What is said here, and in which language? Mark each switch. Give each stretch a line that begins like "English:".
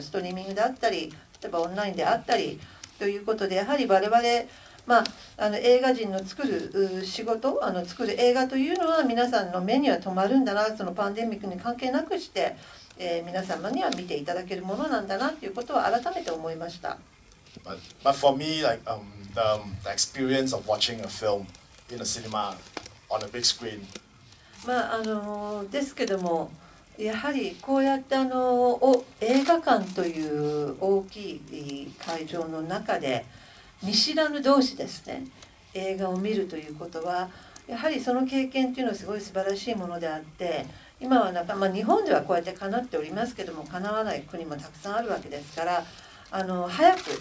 Japanese: ストリーミングであったり、例えばオンラインであったりということで、やはり我々、まあ、映画人の作る仕事、作る映画というのは皆さんの目には止まるんだな、そのパンデミックに関係なくして、皆様には見ていただけるものなんだなということは改めて思いました。
English: But for me, like, the experience of watching a film in a cinema on a big screen.
Japanese: まあですけども、やはりこうやって映画館という大きい会場の中で見知らぬ同士ですね、映画を見るということは、やはりその経験というのはすごい素晴らしいものであって、今はなんか、まあ、日本ではこうやってかなっておりますけども、かなわない国もたくさんあるわけですから、早く、